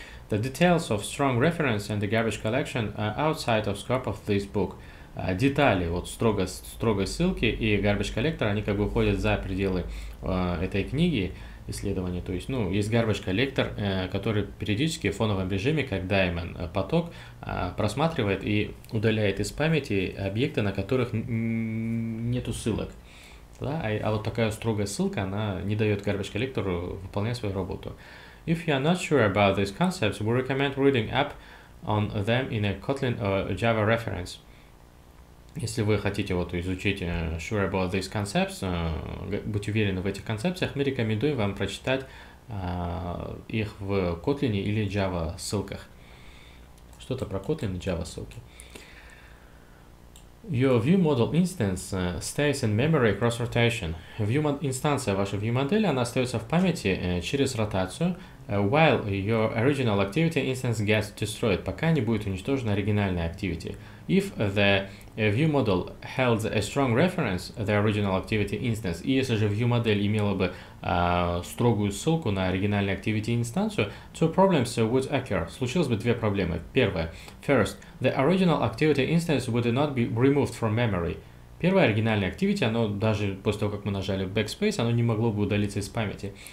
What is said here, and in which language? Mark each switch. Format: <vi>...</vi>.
<en>The details of strong reference and the garbage collection are outside of scope of this book.</en> <ru>Детали вот строгой ссылки и garbage collector, они как бы уходят за пределы этой книги исследования. То есть, ну, есть garbage collector, который периодически в фоновом режиме, как Diamond поток, просматривает и удаляет из памяти объекты, на которых нету ссылок. Да? А вот такая строгая ссылка, она не дает garbage collector выполнять свою работу.</ru> <en>If you are not sure about these concepts, we recommend reading up on them in a Kotlin or Java reference.</en> <ru>Если вы хотите вот изучить</ru> <en>sure about these concepts,</en> <ru>будь уверены в этих концепциях, мы рекомендуем вам прочитать их в Kotlin или Java ссылках. Что-то про Kotlin и Java ссылки.</ru> <en>Your ViewModel instance stays in memory cross rotation.</en> <ru>Инстанция вашей ViewModel, она остается в памяти через ротацию,</ru> <en>while your original activity instance gets destroyed,</en> <ru>пока не будет уничтожена оригинальная activity.</ru> <en>If the ViewModel held a strong reference, the original activity instance,</en> <ru>и если же ViewModel имела бы строгую ссылку на оригинальную activity инстанцию,</ru> <en>two problems would occur.</en> <ru>Случилось бы две проблемы. Первое.</ru> <en>First, the original activity instance would not be removed from memory.</en> <ru>Первое, оригинальное activity, оно даже после того, как мы нажали backspace, оно не могло бы удалиться из памяти.</ru>